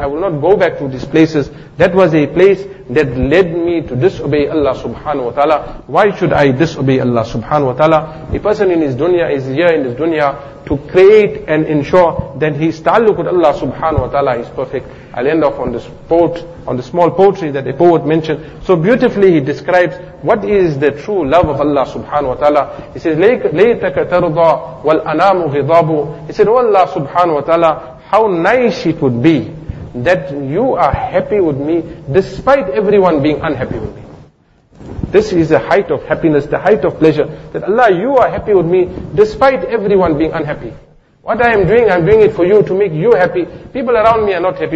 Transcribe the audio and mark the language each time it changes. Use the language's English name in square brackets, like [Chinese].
[English] I will not go back to these places. That was a place that led me to disobey Allah subhanahu wa ta'ala. Why should I disobey Allah subhanahu wa ta'ala? A person in his dunya is here in his dunya to create and ensure that his ta'alluq with Allah subhanahu wa ta'ala is perfect. I'll end off on the small poetry that a poet mentioned. So beautifully he describes what is the true love of Allah subhanahu wa ta'ala. He says, [Arabic] لَيْتَكَ تَرْضَى وَالْأَنَامُ غِضَابُ. [English] He said, oh Allah subhanahu wa ta'ala, how nice it would be that you are happy with me despite everyone being unhappy with me. This is the height of happiness, the height of pleasure, that Allah, you are happy with me despite everyone being unhappy. What I'm doing it for you, to make you happy. People around me are not happy.